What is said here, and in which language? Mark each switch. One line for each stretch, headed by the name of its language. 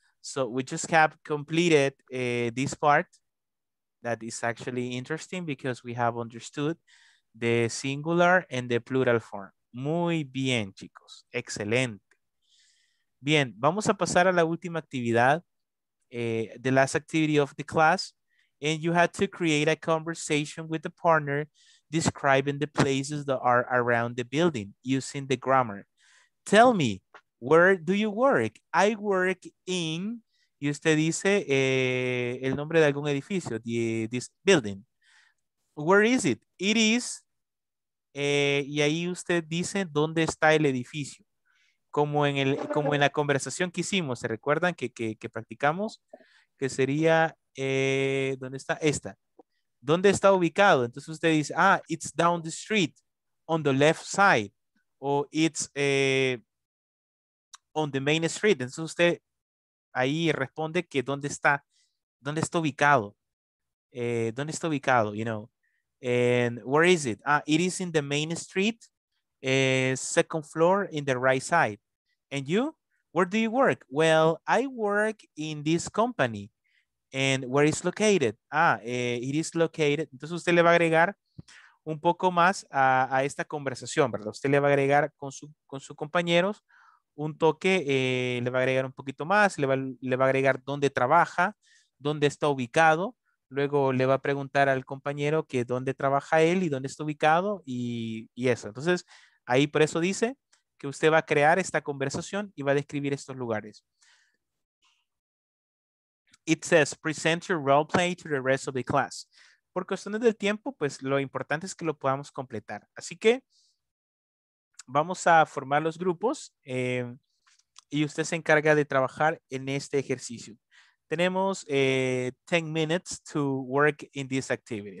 English: So we just have completed this part that is actually interesting because we have understood the singular and the plural form.
Spanish: Muy bien, chicos. Excelente. Bien, vamos a pasar a la última actividad.
English: The last activity of the class. And you had to create a conversation with a partner describing the places that are around the building using the grammar. Tell me, where do you work? I work in,
Spanish: y usted dice el nombre de algún edificio,
English: this building. Where is it? It is.
Spanish: Y ahí usted dice dónde está el edificio, como en la conversación que hicimos, ¿se recuerdan que practicamos? Que sería, ¿dónde está? Esta. ¿Dónde está ubicado? Entonces usted dice,
English: it's down the street, on the left side, o it's on the main street.
Spanish: Entonces usted ahí responde que dónde está ubicado,
English: you know. And where is it? It is in the main street, second floor in the right side. And you, where do you work? Well, I work in this company. And where is located? It is located.
Spanish: Entonces usted le va a agregar un poco más a esta conversación, ¿verdad? Usted le va a agregar con sus compañeros un toque, le va a agregar un poquito más, le va a agregar dónde trabaja, dónde está ubicado, Luego le va a preguntar al compañero que dónde trabaja él y dónde está ubicado y eso. Entonces, ahí por eso dice que usted va a crear esta conversación y va a describir estos lugares.
English: It says, present your role play to the rest of the class.
Spanish: Por cuestiones del tiempo, pues lo importante es que lo podamos completar. Así que vamos a formar los grupos y usted se encarga de trabajar en este ejercicio. Tenemos
English: 10 minutes to work in this activity.